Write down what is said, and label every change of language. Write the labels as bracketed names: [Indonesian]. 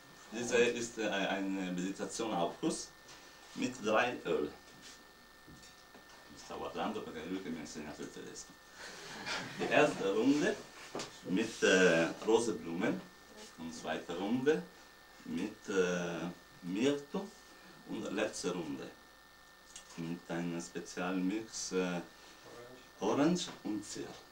[German] Diese ist eine Meditation auf Kuss mit drei Öl. [Italian] Sta guardando perché è lui che mi ha insegnato il tedesco. [German] Die erste Runde mit Roseblumen und zweite Runde mit Mirto und letzte Runde mit einem speziellen Mix Orange und Zier.